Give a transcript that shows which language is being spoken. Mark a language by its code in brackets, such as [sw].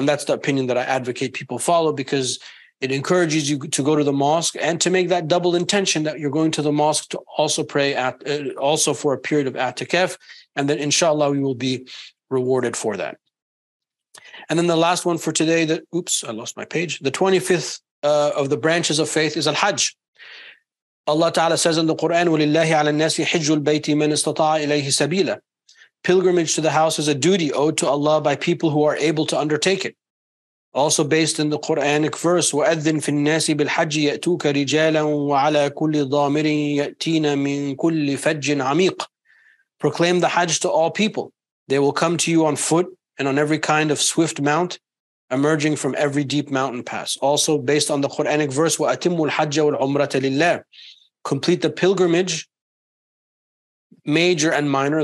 [en] And that's the opinion that I advocate people follow, because it encourages you to go to the mosque and to make that double intention that you're going to the mosque to also pray at, also for a period of i'tikaf, and then inshallah we will be rewarded for that. And then the last one for today, the 25th of the branches of faith is al-hajj. Allah ta'ala says in the Quran, [ar] وَلِلَّهِ عَلَى النَّاسِ حِجُّ الْبَيْتِ مَنْ اسْتَطَاعَ إِلَيْهِ سَبِيلًا. [en] Pilgrimage to the house is a duty owed to Allah by people who are able to undertake it. Also based in the Quranic verse, [ar] وَأَذِّنْ فِي النَّاسِ بِالْحَجِّ يَأْتُوكَ رِجَالًا وَعَلَىٰ كُلِّ ضَامِرٍ يَأْتِينَ مِنْ كُلِّ فَجٍّ عَمِيقٍ. [en] Proclaim the Hajj to all people. They will come to you on foot and on every kind of swift mount, emerging from every deep mountain pass. Also based on the Quranic verse, [ar] وَأَتِمُّ الْحَجَّ وَالْعُمْرَةَ لِلَّهِ. [en] Complete the pilgrimage, major and minor.